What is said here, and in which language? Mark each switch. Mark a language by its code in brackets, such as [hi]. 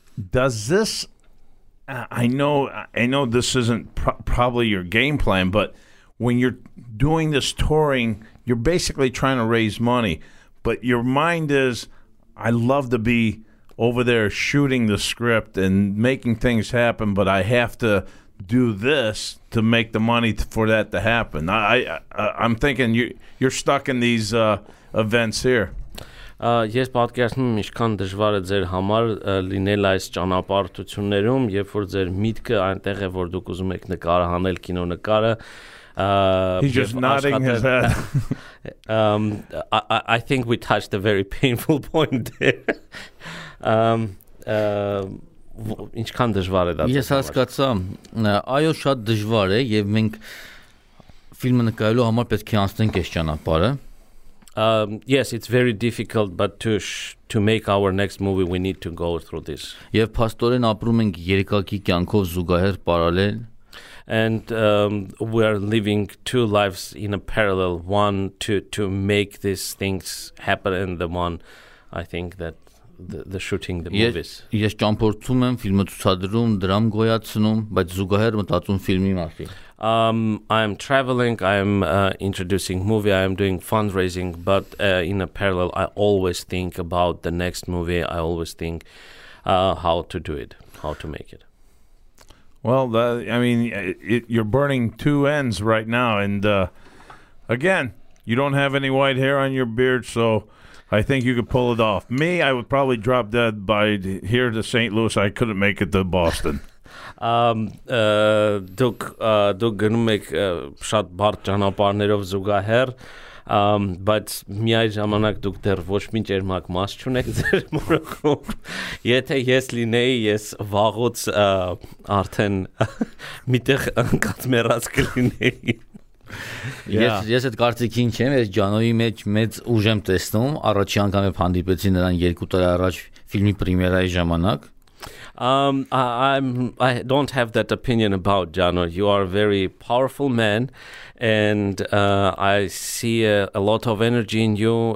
[en] Does this I know this isn't probably your game plan, but when you're doing this touring, you're basically trying to raise money, but your mind is, I love to be over there shooting the script and making things happen, but I have to do this to make the money for that to happen. I'm thinking you're stuck in these events here. [hy] Ես պատկերացնում եմ, ինչքան դժվար է ձեր համար լինել այս ճանապարհություններում, երբ որ ձեր միտքը այնտեղ է, որ դուք ուզում եք նկարահանել կինոնկարը. [en] He's just nodding his head. I think we touched a very painful point there. [hy] Ինչքան դժվար է դա։ Ես հասկացա, այո, շատ դժվար է եւ մենք ֆիլմը նկարելու համար պետք է անցնենք այս ճանապարհը։ [en] Yes, it's very difficult, but to make our next movie, we need to go through this. [hy] Եվ փաստորեն ապրում ենք երկակի կյանքով զուգահեռ parallel. [en] And we are living two lives in a parallel, one to make these things happen, and the one I think that the shooting the movies. [hy] Ես ճամփորդում եմ ֆիլմը ցուցադրում, դրամ գոյացնում, բայց զուգահեռ մտածում ֆիլմի մասին. [en] I'm traveling, I'm introducing movie, I'm doing fundraising, but in a parallel I always think about the next movie. I always think how to do it, how to make it. Well, you're burning two ends right now, and again, you don't have any white hair on your beard, so I think you could pull it off. Me, I would probably drop dead by here to St. Louis. I couldn't make it to Boston. [hy] դուք գնում եք շատ բարդ ճանապարներով զուգահեռ, բայց միայն ժամանակ դուք դեռ ոչ մի ճերմակ մաս չունեք ձեր մորոքում։ Եթե ես լինեի, ես վաղուց արդեն միտեղ ընկած մեռած կլինեի։ [en] Yeah. [hy] Ես այդ կարծիքին չեմ, ես Ջանոյի մեջ մեծ ուժ եմ տեսնում, առաջի անգամ եմ հանդիպեցի նրան երկու տարի առաջ ֆիլմի պրեմիերայի ժամանակ։ [en] I don't have that opinion about Jano. You are a very powerful man, and I see a lot of energy in you.